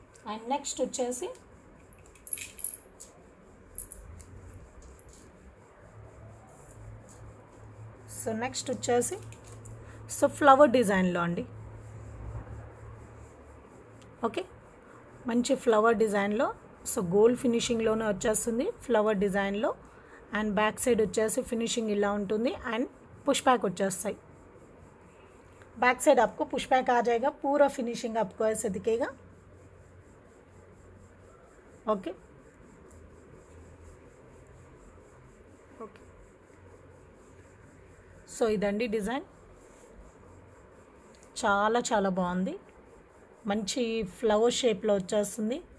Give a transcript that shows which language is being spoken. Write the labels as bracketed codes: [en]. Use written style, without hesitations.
[te] And next వచ్చేసి so flower డిజైన్లో అండి, ఓకే మంచి ఫ్లవర్ డిజైన్లో, సో గోల్డ్ ఫినిషింగ్లోనే వచ్చేస్తుంది ఫ్లవర్ డిజైన్లో అండ్ బ్యాక్ సైడ్ వచ్చేసి ఫినిషింగ్ ఇలా ఉంటుంది అండ్ పుష్ ప్యాక్ వచ్చేస్తాయి, [hi] बैक साइड आपको पुशबैक आ जाएगा, पूरा फिनिशिंग आपको ऐसे दिखेगा। [te] ओके सो ఇదండి డిజైన్, చాలా చాలా బాగుంది, మంచి ఫ్లవర్ షేప్లో వచ్చేస్తుంది.